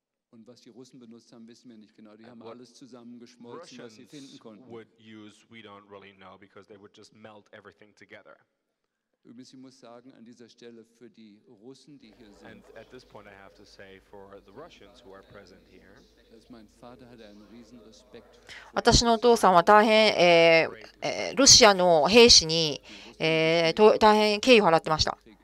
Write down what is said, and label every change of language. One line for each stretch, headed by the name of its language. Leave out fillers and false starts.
German: Und was die Russen benutzt haben, wissen wir nicht genau. Die haben alles zusammengeschmolzen,
English: Russians
German: was sie finden konnten.
English: Russians would use, we don't really know, because they would just melt everything together.
German: Übrigens, ich muss sagen, an dieser Stelle für die Russen, die hier sind.
English: And at this point, I have to say for the Russians who are present here.
German: Dass mein Vater hatte einen riesen Respekt.
Japanese: 私のお父さんは大変、ロシアの兵士に、大変敬意を払ってました。